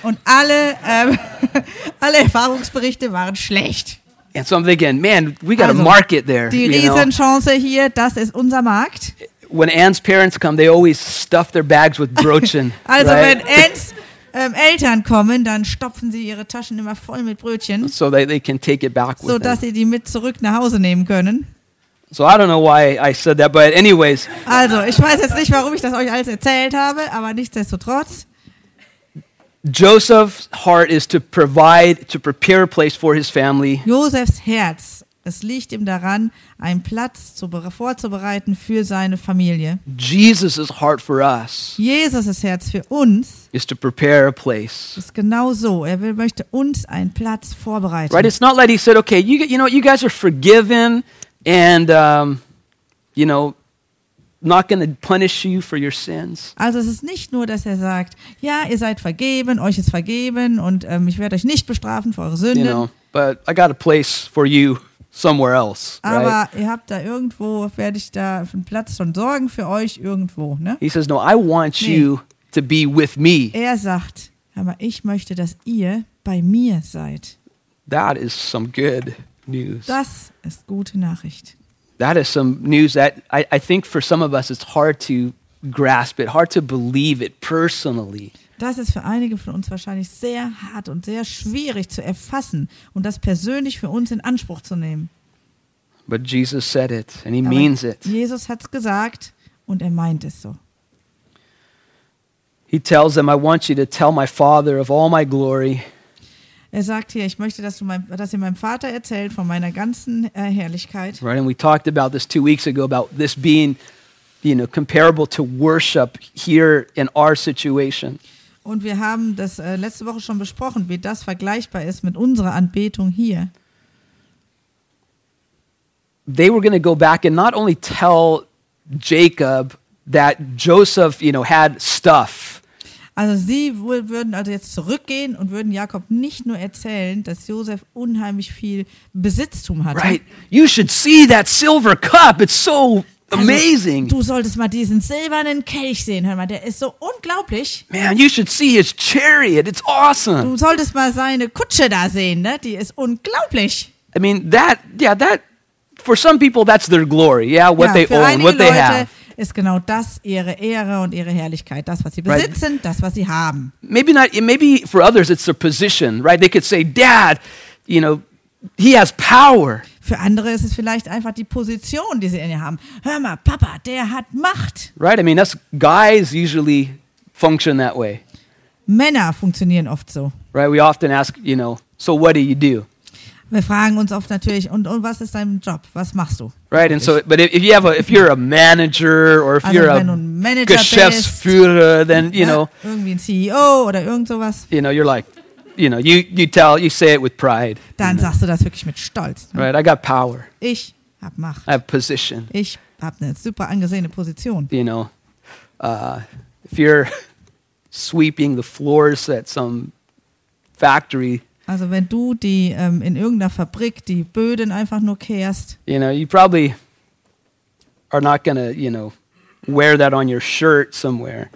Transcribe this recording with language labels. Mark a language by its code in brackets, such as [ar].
[de] Und alle, alle Erfahrungsberichte waren schlecht. [en] And so I'm thinking, man, we got also, a market there. [de] Die Riesenchance hier, das ist unser Markt. [en] When Ann's parents come, they always stuff their bags with Brötchen. [de] Also [en] right? [de] Wenn Ann's Eltern kommen, dann stopfen sie ihre Taschen immer voll mit Brötchen, [en] so that they can take it back [de] with sodass sie die mit zurück nach Hause nehmen können. [en] So I don't know why I said that, but anyways. [de] Also, ich weiß jetzt nicht, warum ich das euch alles erzählt habe, aber nichtsdestotrotz. [en] Joseph's heart is to provide, to prepare a place for his family. [de] Josephs Herz, es liegt ihm daran, einen Platz vorzubereiten für seine Familie. [en] Jesus' heart for us. [de] Jesus' Herz für uns. [en] Is to prepare a place. [de] Ist genau so. Er will, möchte uns einen Platz vorbereiten. [en] Right? It's not like he said, okay, you know, you guys are forgiven and you know, not going to punish you for your sins. [de] Also es ist nicht nur, dass er sagt, ja, ihr seid vergeben, euch ist vergeben und ich werde euch nicht bestrafen für eure Sünden. [en] You know, but I got a place for you. Somewhere else, right? [de] Aber ihr habt da irgendwo, werde ich da einen Platz schon sorgen für euch irgendwo, ne? [en] He says, no, I want you to be with me. [de] Er sagt, aber ich möchte, dass ihr bei mir seid. [en] That is some good news. [de] Das ist gute Nachricht. [en] That is some news that I think for some of us it's hard to grasp it, hard to believe it personally. [de] Das ist für einige von uns wahrscheinlich sehr hart und sehr schwierig zu erfassen und das persönlich für uns in Anspruch zu nehmen. [en] But Jesus said it and he means it. [de] Jesus hat es gesagt und er meint es so. [en] He tells them, I want you to tell my father of all my glory. [de] Er sagt hier, ich möchte, dass ihr meinem Vater erzählt von meiner ganzen Herrlichkeit. [en] Right, and we talked about this 2 weeks ago, about this being, you know, comparable to worship here in our situation. [de] Und wir haben das letzte Woche schon besprochen, wie das vergleichbar ist mit unserer Anbetung hier. [en] They were going to go back and not only tell Jacob that Joseph, you know, had stuff. [de] Also sie würden also jetzt zurückgehen und würden Jakob nicht nur erzählen, dass Joseph unheimlich viel Besitztum hatte. [en] Right. You should see that silver cup. It's so amazing. [de] Also, du solltest mal diesen silbernen Kelch sehen. Hör mal, der ist so unglaublich. [en] Man, you should see his chariot. It's awesome. [de] Du solltest mal seine Kutsche da sehen, ne? Die ist unglaublich. [en] I mean, that, yeah, that, for some people, that's their glory. Yeah, what [de] ja, [en] they own, what they [de] Leute [en] have. [de] Ist genau das ihre Ehre und ihre Herrlichkeit, das, was sie besitzen, right. Das, was sie haben. [en] Maybe not, maybe for others, it's their position, right? They could say, Dad, you know, he has power. [de] Für andere ist es vielleicht einfach die Position, die sie in ihr haben. Hör mal, Papa, der hat Macht. [en] Right, I mean, us guys usually function that way. [de] Männer funktionieren oft so. [en] Right, we often ask, you know, so what do you do? [de] Wir fragen uns oft natürlich, und was ist dein Job? Was machst du? [en] Right, and so, but if you have a, if you're a manager or if [de] also [en] you're a Geschäftsführer, then, you know. [de] Irgendwie ein CEO oder irgend sowas. [en] You know, you're like, you know, you say it with pride. [de] Dann [en] you know. [de] Sagst du das wirklich mit Stolz. Ne? [en] Right, I got power. [de] Ich hab Macht. [en] I have position. [de] Ich hab eine super angesehene Position. [en] You know, if you're sweeping the floors at some factory, [de] Also wenn du die in irgendeiner Fabrik die Böden einfach nur kehrst. [en] You know, you probably are not gonna, you know, wear that on your shirt somewhere.